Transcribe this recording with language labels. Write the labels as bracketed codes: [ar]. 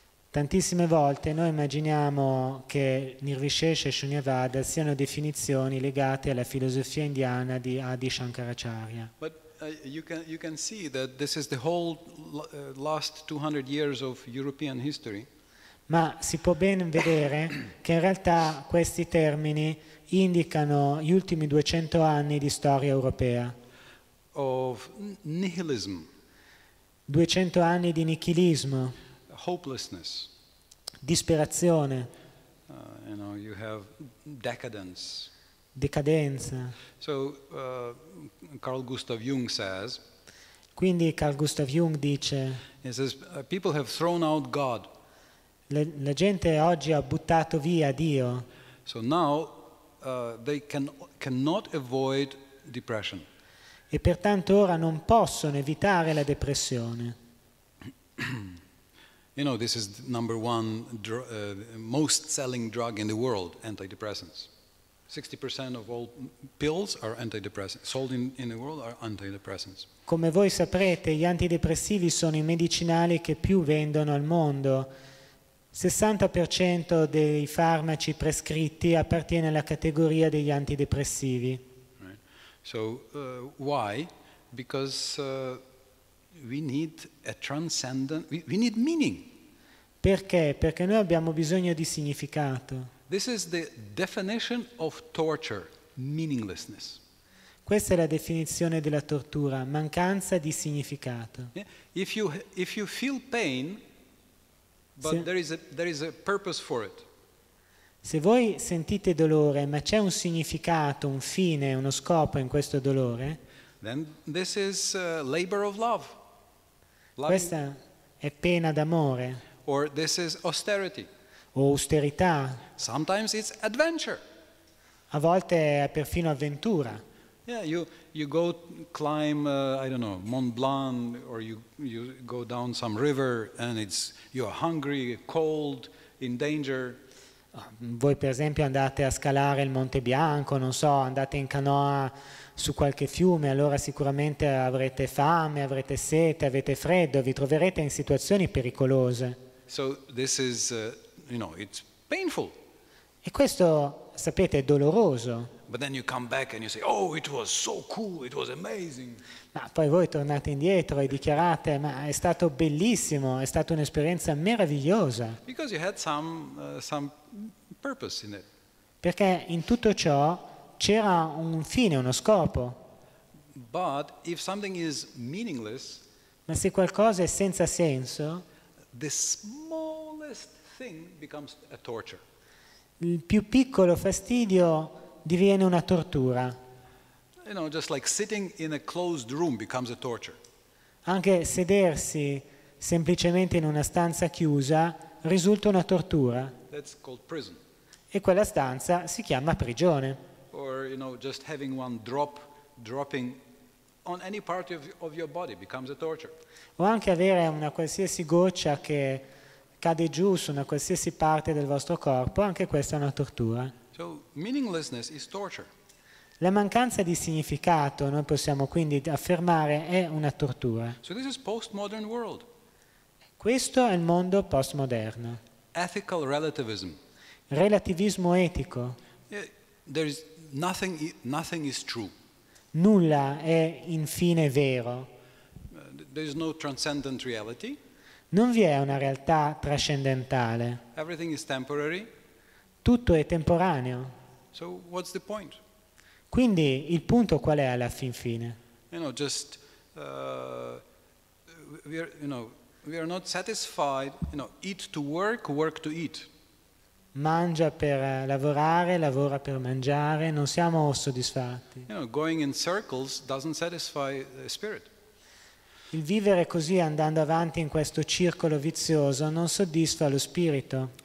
[it] Tantissime volte noi immaginiamo che Nirvishesha e Shunyavada siano definizioni legate alla filosofia indiana di Adi Shankaracharya. [en] But you can see that this is the whole last 200 years of European history. [it] Ma si può ben vedere che in realtà questi termini indicano gli ultimi 200 anni di storia europea. [en] Of nihilism. [it] 200 anni di nichilismo. [en] Hopelessness. [it] Disperazione. [en] You know, you have decadence. [it] Decadenza. [en] So Carl Gustav Jung says. [it] Quindi Carl Gustav Jung dice. [en] He says people have thrown out God. [it] La gente oggi ha buttato via Dio. [en] So now they cannot avoid depression. [it] E pertanto ora non possono evitare la depressione. [en] You know, this is the number one most selling drug in the world, antidepressants. 60% of all pills are antidepressants sold in the world are antidepressants. [it] Come voi saprete, gli antidepressivi sono i medicinali che più vendono al mondo. 60% dei farmaci prescritti appartiene alla categoria degli antidepressivi. [en] Right. So why? Because we need a transcendent we need meaning. [it] Perché? Perché noi abbiamo bisogno di significato. [en] This is the definition of torture, meaninglessness. [it] Questa è la definizione della tortura, mancanza di significato. [en] Yeah. If you feel pain, But there is a purpose for it. [it] Se voi sentite dolore, ma c'è un significato, un fine, uno scopo in questo dolore, [en] then this is labor of love. Loving. [it] Questa è pena d'amore. [en] Or this is austerity. [it] O austerità. [en] Sometimes it's adventure. [it] A volte è perfino avventura. [en] Yeah, you go climb I don't know Mont Blanc, or you go down some river and it's you're hungry, cold, in danger. [it] Voi per esempio andate a scalare il Monte Bianco, non so, andate in canoa su qualche fiume, allora sicuramente avrete fame, avrete sete, avete freddo, vi troverete in situazioni pericolose. [en] So this is you know, it's painful. [it] E questo, sapete, è doloroso. [en] But then you come back and you say, oh, it was so cool, it was amazing. [it] Ma poi voi tornate indietro e dichiarate, ma è stato bellissimo, è stata un'esperienza meravigliosa. [en] Because you had some purpose in it. [it] Perché in tutto ciò c'era un fine, uno scopo. [en] But if something is meaningless, [it] ma se qualcosa è senza senso, [en] the smallest thing becomes a torture. [it] Il più piccolo fastidio diviene una tortura. [en] You know, just like sitting in a closed room becomes a torture. [it] Anche sedersi semplicemente in una stanza chiusa risulta una tortura. [en] That's called prison. [it] E quella stanza si chiama prigione. [en] Or you know, just having one drop dropping on any part of your body becomes a torture. [it] O anche avere una qualsiasi goccia che cade giù su una qualsiasi parte del vostro corpo, anche questa è una tortura. [en] So meaninglessness is torture. [it] La mancanza di significato, noi possiamo quindi affermare, è una tortura. [en] So this is postmodern world. [it] Questo è il mondo postmoderno. [en] Ethical relativism. [it] Relativismo etico. [en] There is nothing is true. [it] Nulla è infine vero. [en] There is no transcendent reality. [it] Non vi è una realtà trascendentale. [en] Everything is temporary. [it] Tutto è temporaneo. [en] So what's the point? [it] Quindi il punto qual è alla fin fine? [en] You know, just we are not satisfied. You know, eat to work, work to eat. [it] Mangia per lavorare, lavora per mangiare. Non siamo soddisfatti. [en] You know, going in circles doesn't satisfy the spirit. [it] Il vivere così, andando avanti in questo circolo vizioso, non soddisfa lo spirito.